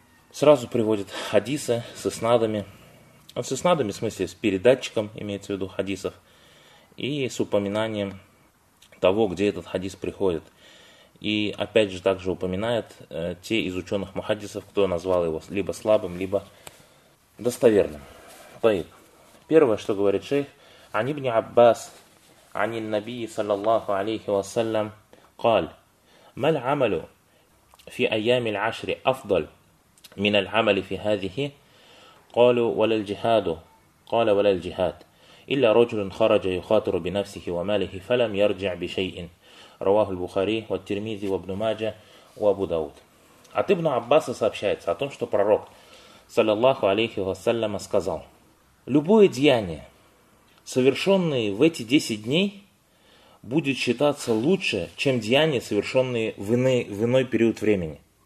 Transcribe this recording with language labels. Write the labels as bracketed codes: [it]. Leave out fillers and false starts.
[ru] Сразу приводит хадисы с иснадами. С иснадами, в смысле, с передатчиком, имеется в виду хадисов. И с упоминанием того, где этот хадис приходит. И, опять же, также упоминает те из ученых мухаддисов, кто назвал его либо слабым, либо достоверным. Таиб. Первое, что говорит шейх, [ar] «Ани ибн Аббас, ани ан-Набии, саллаллаху алейхи вассалям, قال ما العمل في أيام العشر أفضل من العمل في هذه قالوا ولا الجهاد قال ولا الجهاد إلا رجل خرج يخاطر بنفسه وماله فلم يرجع بشيء رواه البخاري والترمذي وابن ماجه وابو داود. [ru] От ибн Аббаса сообщается о том, что пророк саллаллаху алейхи вассалям сказал: любое деяние, совершенное в эти 10 дней, будет считаться лучше, чем деяния, совершенные в иной период времени.